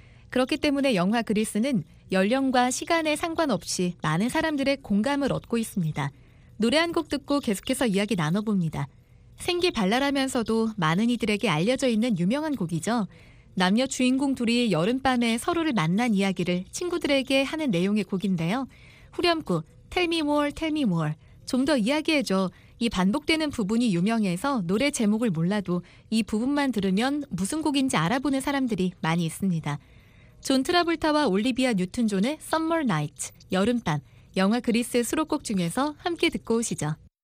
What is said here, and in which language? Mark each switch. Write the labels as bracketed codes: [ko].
[ko] 그렇기 때문에 영화 그리스는 연령과 시간에 상관없이 많은 사람들의 공감을 얻고 있습니다. 노래 한 곡 듣고 계속해서 이야기 나눠봅니다. 생기 발랄하면서도 많은 이들에게 알려져 있는 유명한 곡이죠. 남녀 주인공 둘이 여름밤에 서로를 만난 이야기를 친구들에게 하는 내용의 곡인데요. 후렴구 [en] Tell me more, tell me more, [ko] 좀 더 이야기해줘. 이 반복되는 부분이 유명해서 노래 제목을 몰라도 이 부분만 들으면 무슨 곡인지 알아보는 사람들이 많이 있습니다. 존 트라볼타와 올리비아 뉴튼 존의 Summer Night, 여름밤, 영화 그리스의 수록곡 중에서 함께 듣고 오시죠.